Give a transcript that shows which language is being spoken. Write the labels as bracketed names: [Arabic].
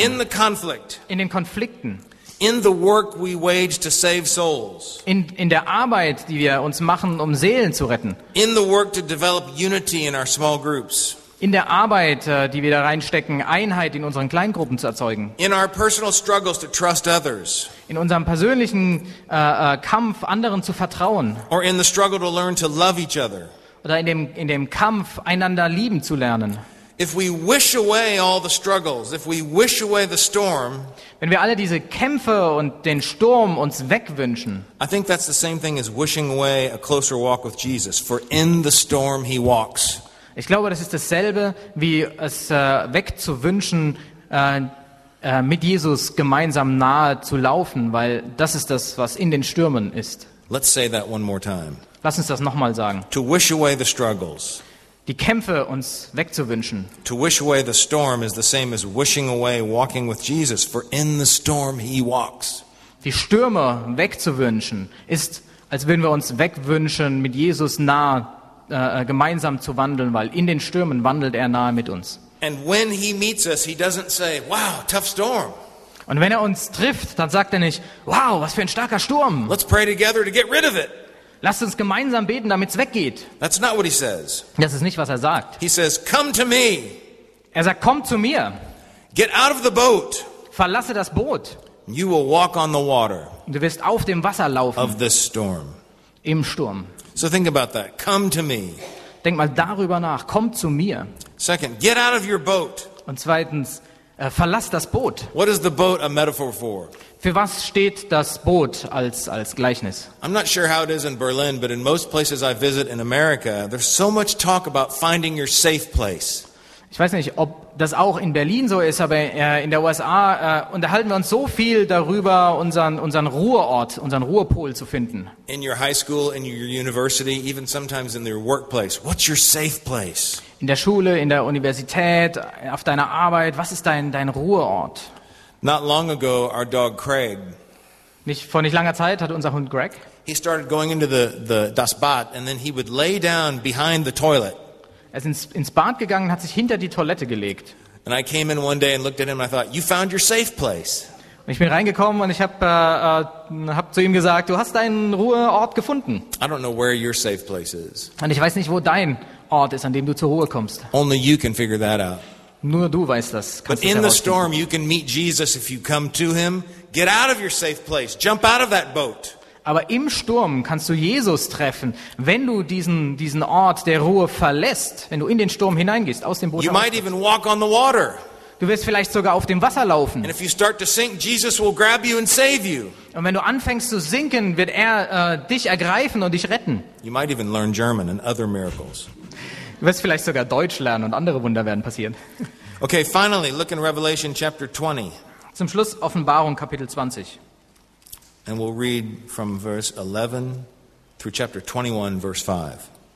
[English] In the conflict. [German] In den Konflikten. [English] In the work we wage to save souls. [German] In der Arbeit, die wir uns machen, um Seelen zu retten. [English] In the work to develop unity in our small groups. [German] In der Arbeit, die wir da reinstecken, Einheit in unseren Kleingruppen zu erzeugen. [English] In our personal struggles to trust others. [German] In unserem persönlichen Kampf, anderen zu vertrauen. [English] Or in the struggle to learn to love each other. [German] Oder in dem Kampf, einander lieben zu lernen. [English] If we wish away all the struggles, if we wish away the storm, [German] wenn wir alle diese Kämpfe und den Sturm uns wegwünschen, [English] I think that's the same thing as wishing away a closer walk with Jesus, for in the storm he walks. [German] Ich glaube, das ist dasselbe, wie es wegzuwünschen, mit Jesus gemeinsam nahe zu laufen, weil das ist das, was in den Stürmen ist. [English] Let's say that one more time. [German] Lass uns das nochmal sagen. [English] To wish away the struggles. [German] Die Kämpfe uns wegzuwünschen. [English] To wish away the storm is the same as wishing away walking with Jesus, for in the storm he walks. [German] Die Stürme wegzuwünschen ist, als würden wir uns wegwünschen, mit Jesus nahe gemeinsam zu wandeln, weil in den Stürmen wandelt er nahe mit uns. [English] And when he meets us, he doesn't say, wow, tough storm. [German] Und wenn er uns trifft, dann sagt er nicht, wow, was für ein starker Sturm. [English] Let's pray together to get rid of it. [German] Lasst uns gemeinsam beten, damit es weggeht. [English] That's not what he says. [German] Das ist nicht, was er sagt. [English] He says, come to me. [German] Er sagt, komm zu mir. [English] Get out of the boat. [German] Verlasse das Boot. [English] You will walk on the water. [German] Du wirst auf dem Wasser laufen. [English] Of this storm. [German] Im Sturm. [English] So think about that. Come to me. [German] Denk mal darüber nach. Komm zu mir. [English] Second, get out of your boat. [German] Und zweitens, verlass das Boot. [English] What is the boat a metaphor for? [German] Für was steht das Boot als Gleichnis? [English] I'm not sure how it is in Berlin, but in most places I visit in America, there's so much talk about finding your safe place. [German] Ich weiß nicht, ob das auch in Berlin so ist, aber in der USA unterhalten wir uns so viel darüber, unseren Ruheort, unseren Ruhepol zu finden. [English] In your high school, in your university, even sometimes in your workplace, what's your safe place? [German] In der Schule, in der Universität, auf deiner Arbeit, was ist dein Ruheort? [English] Not long ago, our dog Craig. [German] Vor nicht langer Zeit hat unser Hund Greg. [English] He started going into the [German] das Bad, [English] and then he would lay down behind the toilet. [German] Er ist ins Bad gegangen und hat sich hinter die Toilette gelegt. [English] And I came in one day and looked at him and I thought, you found your safe place. [German] Und ich bin reingekommen und ich hab zu ihm gesagt, du hast deinen Ruheort gefunden. [English] I don't know where your safe place is. [German] Und ich weiß nicht, wo dein Ort ist, an dem du zur Ruhe kommst. [English] Only you can figure that out. [German] Nur du weißt das. [English] But in the storm you can meet Jesus if you come to him. Get out of your safe place. Jump out of that boat. [German] Aber im Sturm kannst du Jesus treffen, wenn du diesen Ort der Ruhe verlässt, wenn du in den Sturm hineingehst, aus dem Boot. [English] You might even walk on the water. [German] Du wirst vielleicht sogar auf dem Wasser laufen. [English] And if you start to sink, Jesus will grab you and save you. [German] Und wenn du anfängst zu sinken, wird er dich ergreifen und dich retten. [English] You might even learn German and other miracles. [German] Du wirst vielleicht sogar Deutsch lernen und andere Wunder werden passieren. [English] Okay, finally, look in Revelation chapter 20. [German] Zum Schluss Offenbarung Kapitel 20. [English] And we'll read from verse 11 through chapter 21, verse 5.